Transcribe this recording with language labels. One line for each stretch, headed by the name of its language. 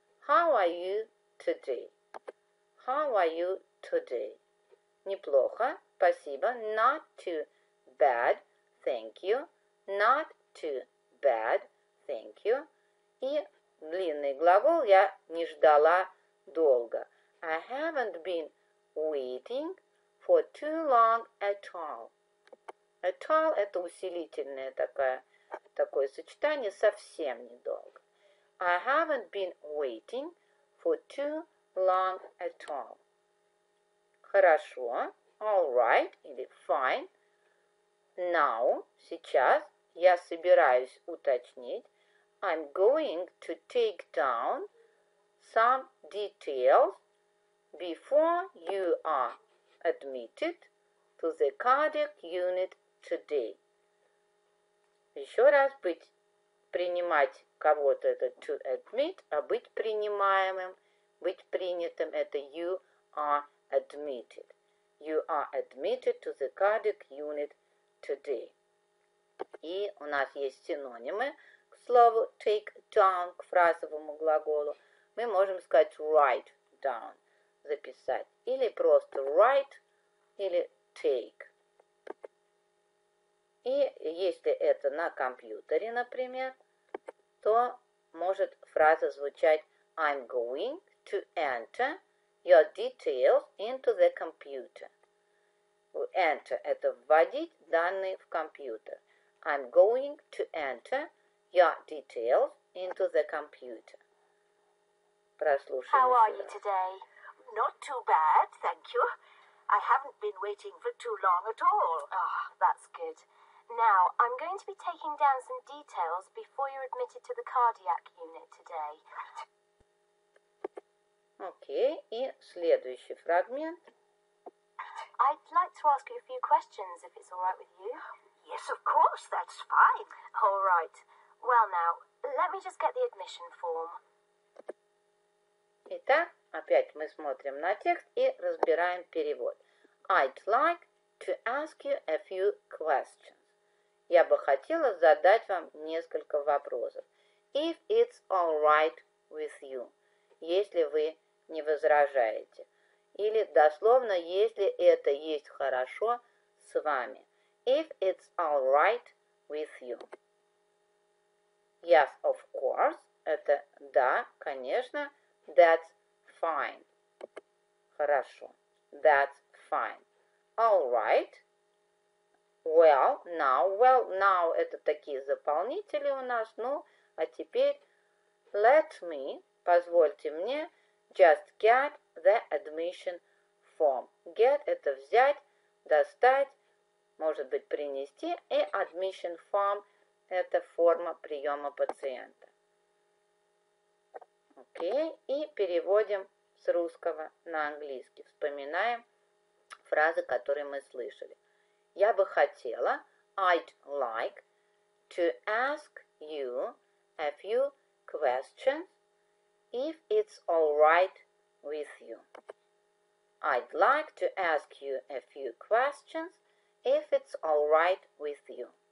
English: How are you today? How are you today?
Russian: Неплохо, спасибо.
English: Not too bad, thank you. Not too bad, thank you.
Russian: И длинный глагол «я не ждала долго».
English: I haven't been waiting for too long at all.
Russian: At all – это усилительное такое сочетание, совсем недолго.
English: I haven't been waiting for too long. Long at all.
Russian: Хорошо.
English: All right. Или fine. Now.
Russian: Сейчас. Я собираюсь уточнить.
English: I'm going to take down some details before you are admitted to the cardiac unit today.
Russian: Еще раз принимать кого-то, это to admit, а быть принимаемым, быть принятым, это you are admitted.
English: You are admitted to the cardiac unit today.
Russian: И у нас есть синонимы к слову take down, к фразовому глаголу. Мы можем сказать write down, записать, или просто write, или take. И если это на компьютере, например, то может фраза звучать
English: I'm going to enter your details into the computer.
Russian: Enter – это вводить данные в компьютер.
English: I'm going to enter your details into the computer. How are you today? Not too bad, thank you. I haven't been waiting for too long at all. Ah, that's good. Now, I'm going to be taking down some details before you're admitted to the cardiac unit today.
Russian: Okay, и следующий фрагмент.
English: I'd like to ask you a few questions, if it's all right with you. Yes, of course, that's fine. All right. Well, now, let me just get the admission form.
Russian: Итак, опять мы смотрим на текст и разбираем перевод.
English: I'd like to ask you a few questions.
Russian: Я бы хотела задать вам несколько вопросов.
English: If it's all right with you.
Russian: Если вы не возражаете. Или дословно, если это есть хорошо с вами.
English: If it's all right with you. Yes, of course.
Russian: Это да, конечно.
English: That's fine.
Russian: Хорошо.
English: That's fine. All right. Well, now. Well, now
Russian: это такие заполнители у нас. Ну, а теперь
English: let me,
Russian: позвольте мне,
English: just get the admission form.
Russian: Get – это взять, достать, может быть, принести. И admission form – это форма приема пациента. Окей, и переводим с русского на английский. Вспоминаем фразы, которые мы слышали. Я бы хотела,
English: I'd like to ask you a few questions if it's all right with you. I'd like to ask you a few questions if it's all right with you.